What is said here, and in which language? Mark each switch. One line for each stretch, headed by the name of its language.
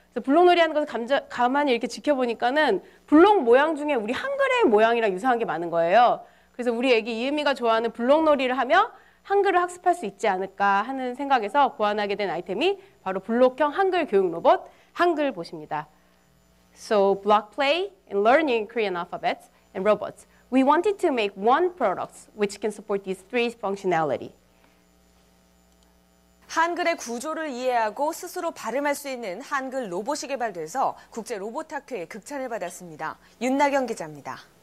Korean: 그래서 블록놀이하는 것을 가만히 이렇게 지켜보니까는 블록 모양 중에 우리 한글의 모양이랑 유사한 게 많은 거예요. 그래서 우리 아기 이은미가 좋아하는 블록놀이를 하며 한글을 학습할 수 있지 않을까 하는 생각에서 고안하게 된 아이템이 바로 블록형 한글 교육 로봇 한글봇입니다.
English: So block play and learning Korean alphabets and robots. We wanted to make one product which can support these three functionality.
Korean: 한글의 구조를 이해하고 스스로 발음할 수 있는 한글 로봇이 개발돼서 국제 로봇 학회에 극찬을 받았습니다. 윤나경 기자입니다.